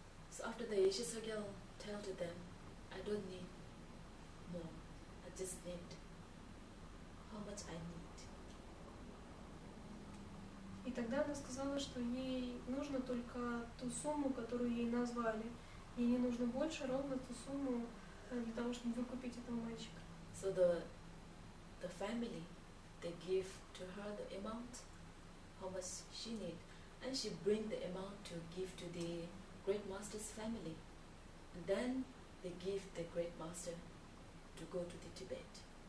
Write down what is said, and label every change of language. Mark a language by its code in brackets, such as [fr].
[en] So after the Йишицу Гьял tell to them, I don't need more. Just need how much I need. [ru] И тогда она сказала, что ей нужно только ту сумму, которую ей назвали. Ей не нужно больше, ровно ту сумму для того, чтобы выкупить этого мальчика. [en] So the family, they give to her the amount, how much she need, and she bring the amount to give to the great master's family. And then they give the great master to go to the Tibet.